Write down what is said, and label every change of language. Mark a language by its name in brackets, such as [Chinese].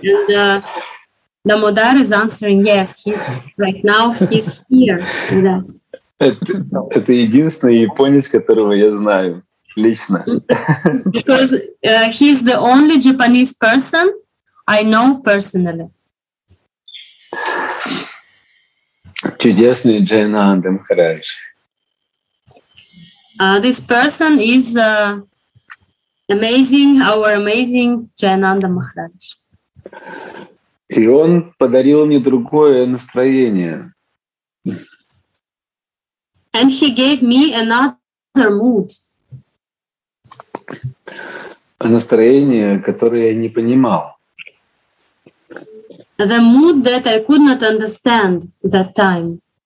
[English] And Damodar is answering, yes, he's right now, he's here with us. [Russian] Это единственный японец, которого я знаю лично. [English] Because he's the only Japanese person I know personally. [Russian] Чудесный Джайананда Махарадж. [English] This person is our amazing Джайананда Махарадж. [Russian] И он подарил мне другое настроение. [English] And he gave me another mood. [Russian] Настроение, которое я не понимал. [English] The mood that I could not understand that time.